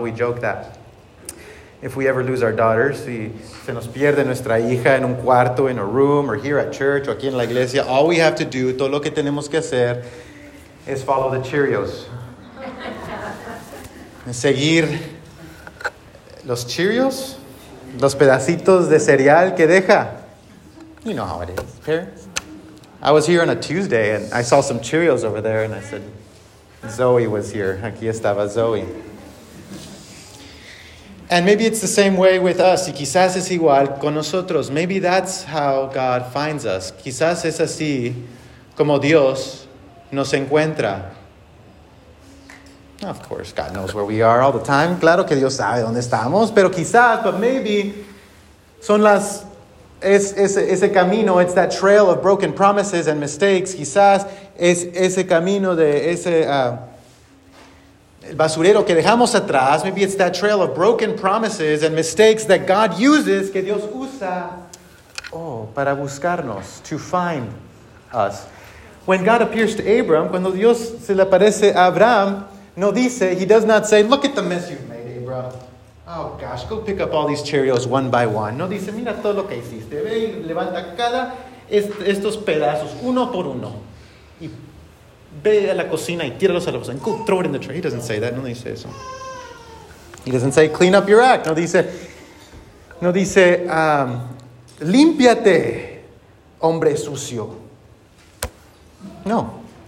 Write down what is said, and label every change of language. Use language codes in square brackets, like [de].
[en] We joke that if we ever lose our daughter, [es] si se nos pierde nuestra hija en un cuarto, [en] in a room, or here at church, [es] o aquí en la iglesia, [en] all we have to do, [es] todo lo que tenemos que hacer, [en] is follow the Cheerios. [es] Seguir los Cheerios, los pedacitos de cereal que deja. [en] You know how it is, parents. I was here on a Tuesday, and I saw some Cheerios over there, and I said, Zoe was here. [es] Aquí estaba Zoe. [en] And maybe it's the same way with us. [es] Y quizás es igual con nosotros. [en] Maybe that's how God finds us. [es] Quizás es así como Dios nos encuentra. [en] Of course, God knows where we are all the time. [es] Claro que Dios sabe dónde estamos. Pero quizás, [en] but maybe, [es] son las, es ese camino, [en] it's that trail of broken promises and mistakes. [es] Quizás es ese camino de ese el basurero que dejamos atrás. [en] Maybe it's that trail of broken promises and mistakes that God uses, [es] que Dios usa, para buscarnos, [en] to find us. When God appears to Abram, [es] cuando Dios se le aparece a Abraham, no dice, [en] he does not say, look at the mess you've made, Abram. Oh, gosh, go pick up all these Cheerios one by one. [es] No dice, mira todo lo que hiciste. Ve y levanta cada estos pedazos, uno por uno. Ve a la cocina y tíralos a la cocina. [en] Go throw it in the tray. He doesn't say that. [es] No dice eso. [en] He doesn't say, clean up your act. [es] No dice, límpiate hombre sucio. No.